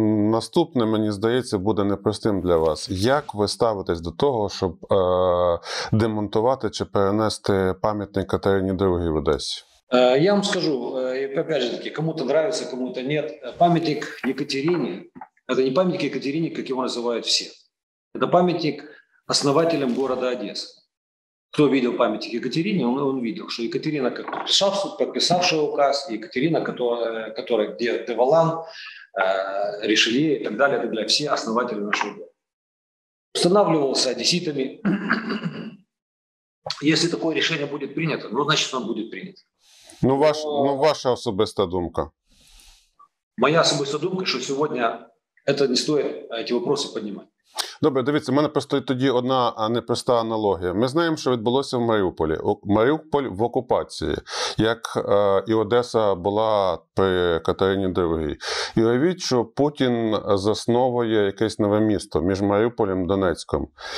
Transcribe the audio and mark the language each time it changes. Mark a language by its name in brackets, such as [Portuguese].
[Ukrainian] Наступне, мені здається, буде непростим для вас. Як ви ставитесь до того, щоб демонтувати чи перенести пам'ятник Катерині ІІ в Одесі? [Russian] Я вам скажу, опять же таки, кому-то нравится, кому-то нет. [Ukrainian] Пам'ятник Екатерині, це не пам'ятник Екатерині, як його називають всі. Це пам'ятник основателям міста Одеси. [Russian] Кто видел памятник Екатерине, он видел, что Екатерина, подписавшая указ, Екатерина, которая где де Валан, Ришелье и так далее, это для все основатели нашего города. Устанавливался одесситами. Если такое решение будет принято, ну, значит, оно будет принято. [Ukrainian] Ваша особистая думка. [Russian] Моя особистая думка, что сегодня это не стоит эти вопросы поднимать. [Ukrainian] Добре, дивіться, в мене просто тоді одна непроста аналогія. Ми знаємо, що відбулося в Маріуполі. Маріуполь в окупації, як і Одеса була при Катерині ІІ. І уявіть, що Путін засновує якесь нове місто між Маріуполем і Донецьком.